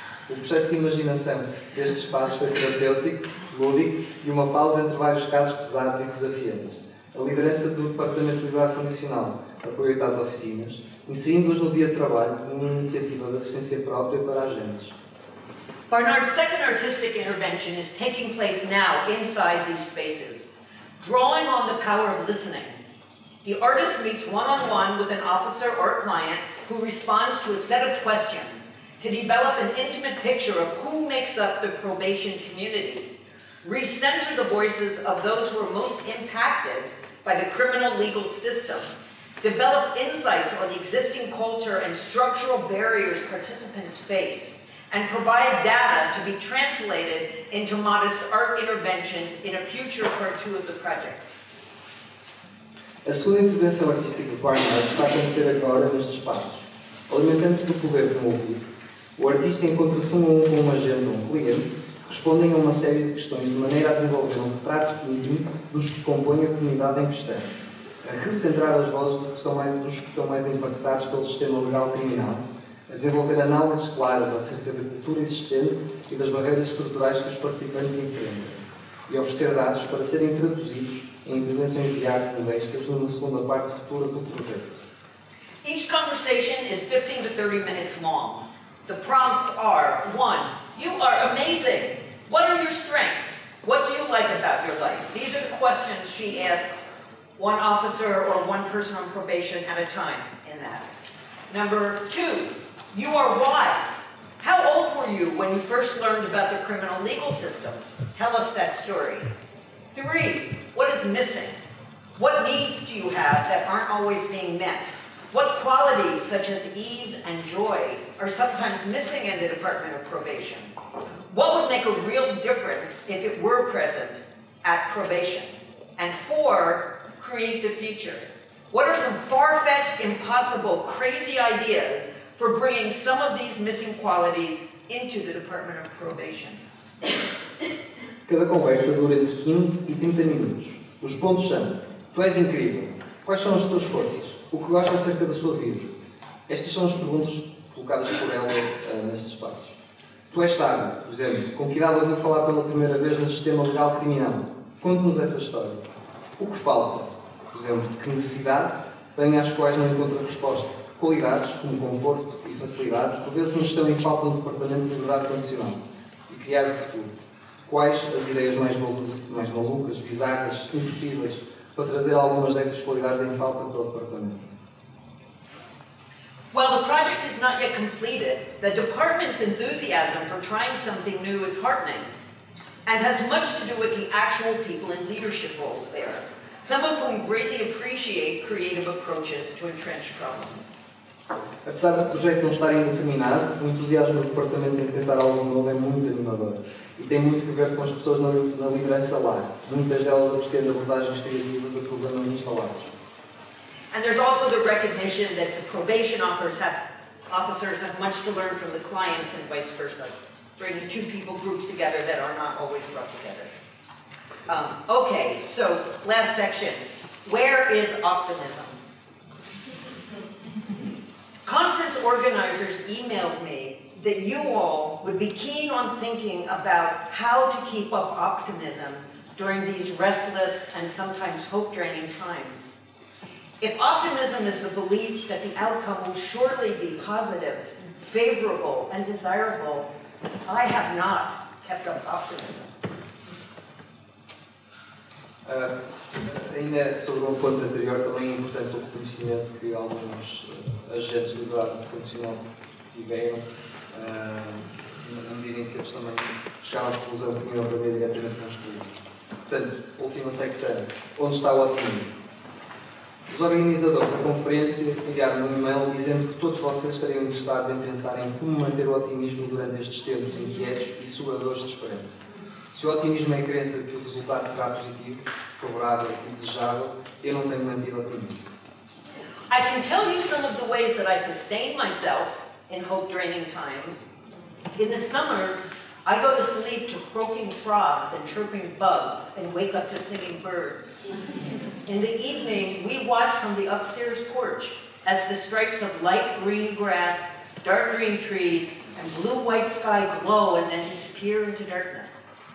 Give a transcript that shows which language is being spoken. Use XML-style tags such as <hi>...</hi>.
<pt>O processo de imaginação deste espaço foi terapêutico, lúdico e uma pausa entre vários casos pesados e desafiantes. A liderança do Departamento de Liberdade Condicional apoiou-te às oficinas, inserindo-os no dia de trabalho como uma iniciativa de assistência própria para agentes.</pt> <en>Barnard's second artistic intervention is taking place now inside these spaces, drawing on the power of listening. The artist meets one-on-one with an officer or client who responds to a set of questions to develop an intimate picture of who makes up the probation community, recenter the voices of those who are most impacted by the criminal legal system, develop insights on the existing culture and structural barriers participants face, and provide data to be translated into modest art interventions in a future part two of the project.</en> <pt>A sua intervenção artística de Barnard está a acontecer agora nestes espaços. Alimentando-se do poder de um ouvido, o artista encontra-se um a um com um agente ou um cliente, respondem a uma série de questões de maneira a desenvolver um retrato íntimo dos que compõem a comunidade em questão, a recentrar as vozes dos que são mais impactados pelo sistema legal criminal, a desenvolver análises claras acerca da cultura existente e das barreiras estruturais que os participantes enfrentam, e oferecer dados para serem traduzidos em intervenções de arte modestas numa segunda parte futura do projeto.</pt> <en>Each conversation is 15 to 30 minutes long. The prompts are, 1. You are amazing. What are your strengths? What do you like about your life? These are the questions she asks one officer or one person on probation at a time in that. 2. You are wise. How old were you when you first learned about the criminal legal system? Tell us that story. 3. What is missing? What needs do you have that aren't always being met? What qualities, such as ease and joy, are sometimes missing in the Department of Probation? What would make a real difference if it were present at probation? And 4, create the future. What are some far-fetched, impossible, crazy ideas for bringing some of these missing qualities into the Department of Probation?</en> <pt>Cada conversa dura entre 15 e 30 minutos. Os pontos são: tu és incrível. Quais são as tuas forças? O que gostas acerca da sua vida? Estas são as perguntas colocadas por ela nestes espaços. Tu és sábio, por exemplo, com que idade ouviu falar pela primeira vez no sistema legal criminal? Conte-nos essa história. O que falta? Por exemplo, que necessidade tem às quais não encontra resposta? Qualidades, como conforto e facilidade, por vezes não estão em falta no departamento de liberdade condicional. E criar o futuro. Quais as ideias mais malucas, bizarras, impossíveis, para trazer algumas dessas qualidades em falta para o departamento?</pt> <en>While the project is not yet completed, the department's enthusiasm for trying something new is heartening. and has much to do with the actual people in leadership roles there, some of whom greatly appreciate creative approaches to entrenched problems.</en> <pt>Apesar do projeto não estar ainda terminado, o entusiasmo do departamento em tentar algo novo é muito animador e tem muito a ver com as pessoas na liderança lá, muitas delas apreciando abordagens criativas a problemas instalados.</pt> <en>And there's also the recognition that the probation officers have much to learn from the clients and vice versa, bringing two people groups together that are not always brought together. Okay, so last section. Where is optimism? Conference organizers emailed me that you all would be keen on thinking about how to keep up optimism during these restless and sometimes hope-draining times. If optimism is the belief that the outcome will surely be positive, favorable, and desirable, I have not kept up optimism.</en> <pt>Ainda sobre um ponto anterior, também é importante o reconhecimento que alguns agentes do governo condicional tiveram, na medida em que eles também chegaram à conclusão que tinham para ver diretamente com os clientes. Portanto, última secção. Onde está o otimismo? Os organizadores da conferência enviaram um e-mail dizendo que todos vocês estariam interessados em pensar em como manter o otimismo durante estes tempos inquietos e suadores de esperança. Se o otimismo é a crença de que o resultado será positivo, favorável e desejável, eu não tenho mantido otimismo.</pt> <en>I can tell you some of the ways that I sustain myself in hope-draining times. In the summers, I go to sleep to croaking frogs and chirping bugs and wake up to singing birds. In the evening, we watch from the upstairs porch as the stripes of light green grass, dark green trees, and blue-white sky glow and then disappear into darkness.</en>